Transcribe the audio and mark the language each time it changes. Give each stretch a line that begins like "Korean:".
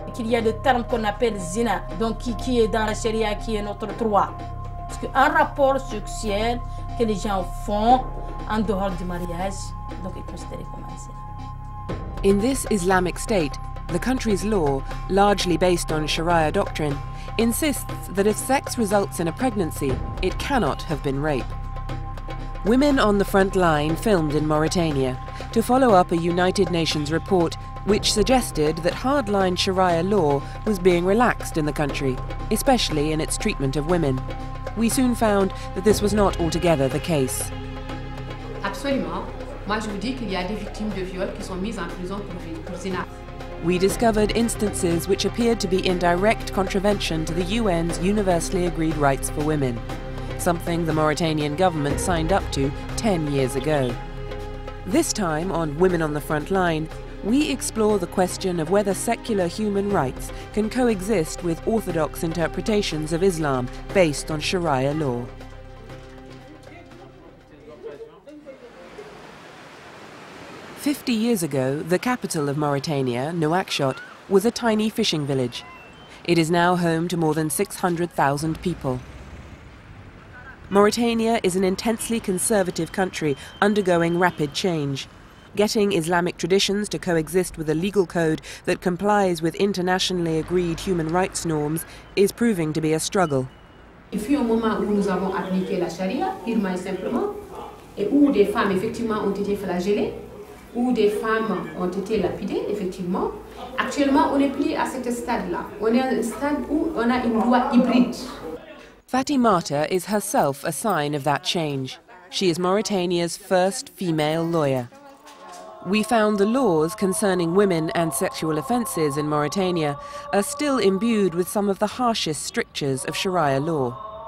French: Il y a le terme qu'on appelle zina, donc qui est dans la sharia, qui est notre droit. Parce qu'un rapport sexuel que les gens font en dehors du mariage, donc est considéré comme un zina.
English: In this Islamic state, the country's law, largely based on Sharia doctrine, insists that if sex results in a pregnancy, it cannot have been rape. Women on the Front Line filmed in Mauritania to follow up a United Nations report which suggested that hardline Sharia law was being relaxed in the country, especially in its treatment of women. We soon found that this was not altogether the case.
French: Absolument. Moi, je vous dis qu'il y a des victimes de viol qui sont mises en prison pour zina.
English: We discovered instances which appeared to be in direct contravention to the UN's universally agreed rights for women, something the Mauritanian government signed up to 10 years ago. This time on Women on the Front Line, we explore the question of whether secular human rights can coexist with orthodox interpretations of Islam based on Sharia law. Years ago, the capital of Mauritania, Nouakchott, was a tiny fishing village. It is now home to more than 600,000 people. Mauritania is an intensely conservative country undergoing rapid change. Getting Islamic traditions to coexist with a legal code that complies with internationally agreed human rights norms is proving to be a struggle.
French: Il fut un moment où nous avons appliqué la charia, purement et simplement, et où des femmes effectivement ont été flagellées, où des femmes ont été lapidées, effectivement. Actuellement, on n'est plus à cet stade-là. On est à un stade où on a une loi hybride.
English: Fatimata is herself a sign of that change. She is Mauritania's first female lawyer. We found the laws concerning women and sexual offences in Mauritania are still imbued with some of the harshest strictures of Sharia law.